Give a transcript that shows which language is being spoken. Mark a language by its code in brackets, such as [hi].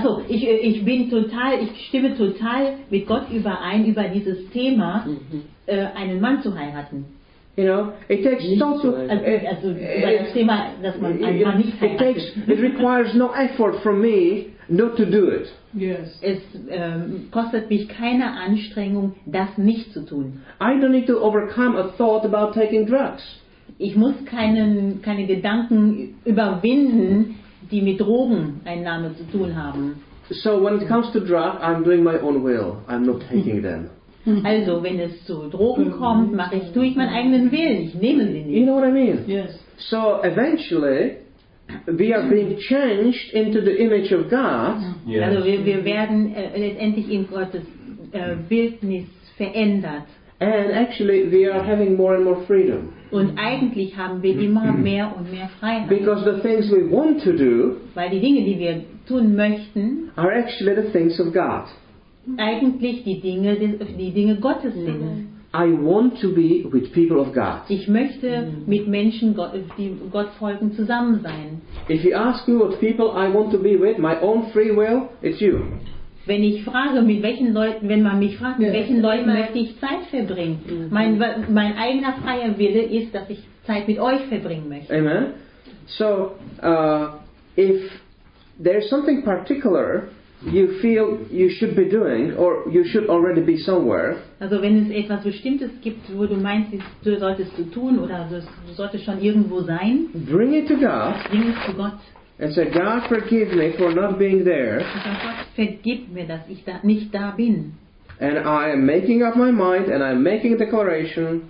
[de] Ich stimme total mit Gott überein über dieses Thema, einen Mann zu heiraten. [en] You know, it takes [de] nicht total. [en] It requires no effort from me not to do it. Yes. [de] Es kostet mich keine Anstrengung, das nicht zu tun. [en] I don't need to overcome a thought about taking drugs. [de] Ich muss keine Gedanken überwinden, die mit Drogen Einnahme zu tun haben. [en] So when it comes to drugs, I'm doing my own will. I'm not taking them. [de] Also, wenn es zu Drogen kommt, tue ich meinen eigenen Willen. Ich nehme sie nicht. [en] You know what I mean? Yes. So eventually, we are being changed into the image of God. Yes. [de] Also wir werden letztendlich in Gottes Bildnis verändert. [en] And actually, we are having more and more freedom. [de] Und eigentlich haben wir immer mehr und mehr Freiheit. [en] Because the things we want to do, [de] weil die Dinge, die wir tun möchten, [en] are actually the things of God. [de] Eigentlich die Dinge Gottes sind. [en] I want to be with people of God. [de] Ich möchte mit Menschen, die Gott folgen, zusammen sein. [en] If you ask me what people I want to be with, my own free will, it's you. [de] Wenn ich frage, mit welchen Leuten, wenn man mich fragt, mit welchen Leuten möchte ich Zeit verbringen, mein eigener freier Wille ist, dass ich Zeit mit euch verbringen möchte. [en] Amen. So, if there's something particular you feel you should be doing, or you should already be somewhere. [de] Also, wenn es etwas Bestimmtes gibt, wo du meinst, du solltest du tun, oder du solltest schon irgendwo sein. [en] Bring it to God. [de] Bring es zu Gott. [en] And say, God, forgive me for not being there. [de] Gott, vergib mir, dass ich da nicht da bin. [en] And I am making up my mind, and I'm making a declaration.